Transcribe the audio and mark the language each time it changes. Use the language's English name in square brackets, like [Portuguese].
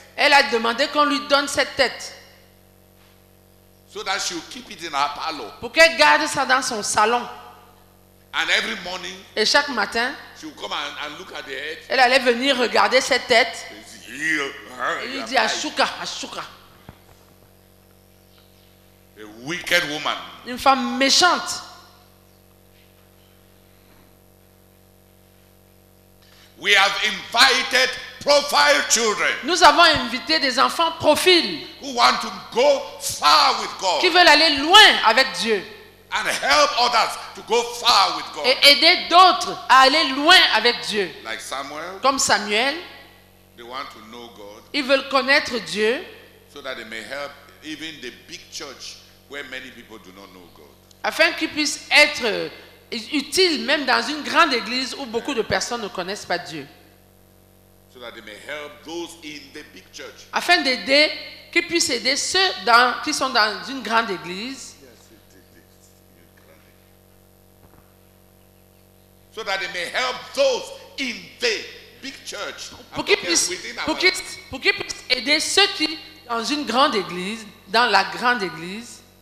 [French] Elle a demandé qu'on lui donne cette tête. [English] so that she will keep it in her parlor. [French] Pour qu'elle garde ça dans son salon. [English] And every morning, [French] et chaque matin, [English] she will come and look at the head. [French] Elle allait venir regarder cette tête. Il dit Ashuka, Ashuka. [English] A wicked woman. [French] Une femme méchante. [English] We have invited profile children. [French] Nous avons invité des enfants profil. [English] Who want to go far with God. [French] Qui veulent aller loin avec Dieu. [English] And help others to go far with God. [French] Et aider d'autres à aller loin avec Dieu. [English] Like Samuel. [French] Comme Samuel. [English] They want to know God. [French] Ils veulent connaître Dieu. [English] So that they may help even the big church where many people do not know God. [French] Afin qu'ils puissent être utile même dans une grande église où beaucoup de personnes ne connaissent pas Dieu. [English] So that they may help those in the big church. [French] Afin d'aider, qu'ils puissent aider ceux dans, qui sont dans une grande église. [English] So that they may help those in the big church. [French] Pour qu'ils puissent aider ceux qui dans une grande église, dans la grande église.